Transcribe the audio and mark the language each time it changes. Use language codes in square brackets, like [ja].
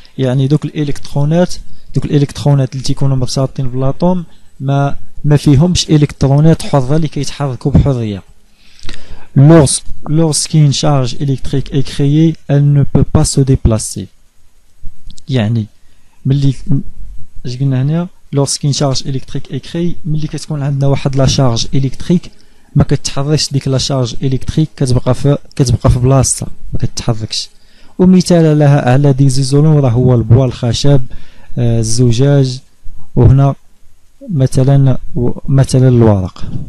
[ar] يعني دوك الالكترونات اللي تيكونوا مرتبطين بالاتوم ما فيهمش الكترونات حره اللي كيتحركوا بحريه. [fr] lorsqu'une charge électrique est créée elle ne peut pas se déplacer. [ar] يعني ملي قلنا هنا [fr] lorsqu'une charge électrique est créée [ar] ملي كتكون عندنا واحد [fr] لا شارج الكتريك [ar] ما كتحركش ديك لا شارج الكتريك كتبقى في بلاصتها ما كتحركش. ومثال لها على [fr] دي زيزولون [ar] راه هو البوال الخشب الزجاج وهنا مثلا الورق.